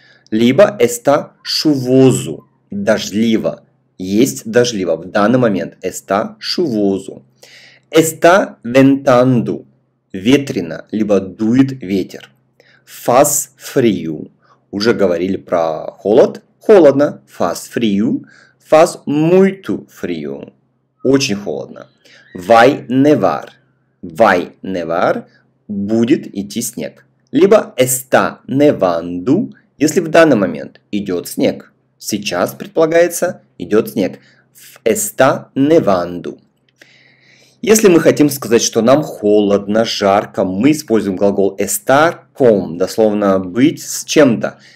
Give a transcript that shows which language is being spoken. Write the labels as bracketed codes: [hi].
[ru] либо [pt] está chuvoso, [ru] дождливо. Есть дождливо. В данный момент [pt] está chuvoso. Está ventando, [ru] ветрено, либо дует ветер. [pt] Faz frio, [ru] уже говорили про холод, холодно. [pt] Faz frio, faz muito frio, [ru] очень холодно. [pt] Vai nevar, vai nevar, [ru] будет идти снег. Либо [pt] está nevando, [ru] если в данный момент идет снег. Сейчас, предполагается, идет снег. [pt] Está nevando. [ru] Если мы хотим сказать, что нам холодно, жарко, мы используем глагол [pt] estar com, [ru] дословно быть с чем-то.